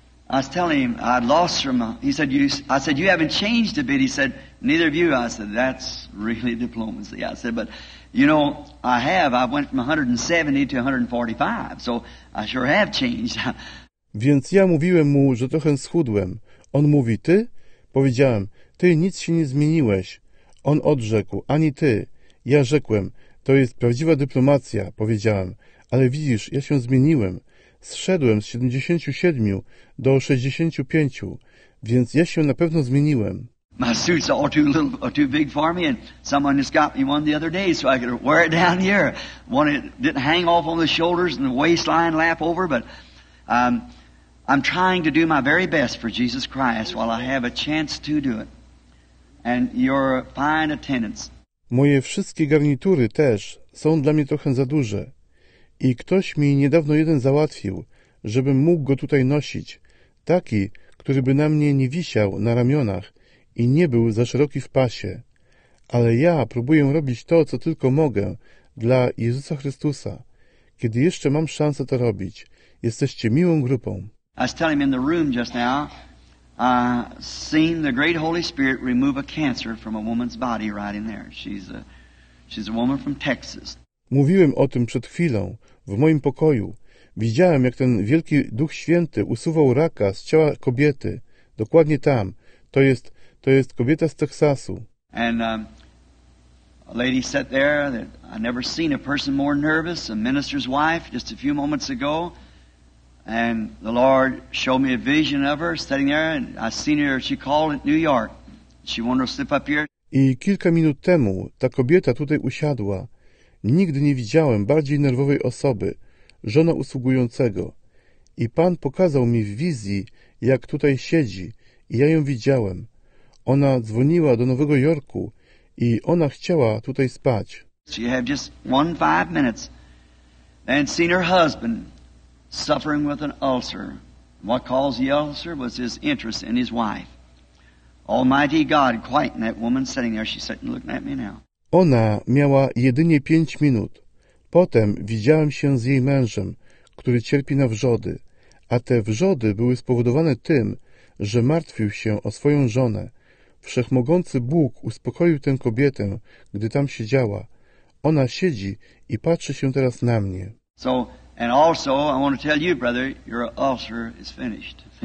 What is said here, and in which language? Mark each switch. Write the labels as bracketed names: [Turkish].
[English] I was telling him I'd lost her. He said, I said, you haven't changed a bit. He said, neither have you. I said, that's really diplomacy. I said, but you know, I have. I went from 170 to 145, so I sure have changed. [Polish] Więc ja mówiłem mu, że trochę schudłem. On mówi, ty? Powiedziałem, ty nic się nie zmieniłeś. On odrzekł, ani ty. Ja rzekłem, to jest prawdziwa dyplomacja, powiedziałem, ale widzisz, ja się zmieniłem. Zszedłem z 77 do 65, więc ja się na pewno zmieniłem. [English] My suit's all too little or too big for me, and someone just got me one the other day, so I could wear it down here. One it didn't hang off on the shoulders and the waistline lap over, but I'm trying to do my very best for Jesus Christ while I have a chance to do it. And your fine attendance. [Polish] Moje wszystkie garnitury też są dla mnie trochę za duże. I ktoś mi niedawno jeden załatwił, żebym mógł go tutaj nosić. Taki, który by na mnie nie wisiał na ramionach i nie był za szeroki w pasie. Ale ja próbuję robić to, co tylko mogę, dla Jezusa Chrystusa. Kiedy jeszcze mam szansę to robić, jesteście miłą grupą. [English] I was telling him in the room just now, seen the great Holy Spirit remove a cancer from a woman's body right in there. She's a woman from Texas. [Polish] Mówiłem o tym przed chwilą, w moim pokoju. Widziałem, jak ten wielki Duch Święty usuwał raka z ciała kobiety, dokładnie tam. To jest kobieta z Teksasu. [English] And a lady sat there that I never seen a person more nervous, a minister's wife, just a few moments ago. And the Lord showed me a vision of her sitting there, and I seen her, she called it New York. She wanted to slip up here. [Polish] I kilka minut temu ta kobieta tutaj usiadła. Nigdy nie widziałem bardziej nerwowej osoby, żona usługującego. I Pan pokazał mi w wizji, jak tutaj siedzi, i ja ją widziałem. Ona dzwoniła do Nowego Jorku i ona chciała tutaj spać. [English] She had just 5 minutes and seen her husband suffering with an ulcer. What caused the ulcer was his interest in his wife. Almighty God, quieten that woman sitting there. She's sitting looking at me now. [Polish] Ona miała jedynie 5 minut. Potem widziałem się z jej mężem, który cierpi na wrzody, a te wrzody były spowodowane tym, że martwił się o swoją żonę. Wszechmogący Bóg uspokoił tę kobietę, gdy tam siedziała. Ona siedzi i patrzy się teraz na mnie. [English] So, and also I want to tell you, brother, your ulcer is finished.